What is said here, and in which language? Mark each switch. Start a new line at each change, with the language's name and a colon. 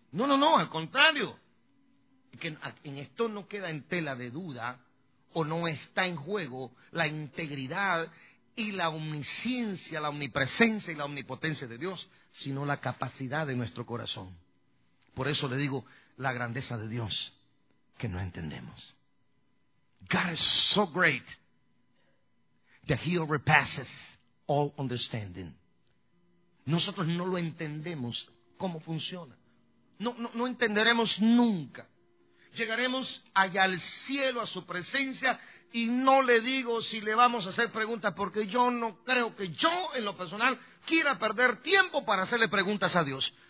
Spanish: No, no, no, al contrario. Que en esto no queda en tela de duda o no está en juego la integridad y la omnisciencia, la omnipresencia y la omnipotencia de Dios, sino la capacidad de nuestro corazón. Por eso le digo, la grandeza de Dios, que no entendemos.
English: God is so great that He overpasses all understanding.
Spanish: Nosotros no lo entendemos cómo funciona. No entenderemos nunca. Llegaremos allá al cielo, a su presencia, y no le digo si le vamos a hacer preguntas, porque yo no creo que yo, en lo personal, quiera perder tiempo para hacerle preguntas a Dios.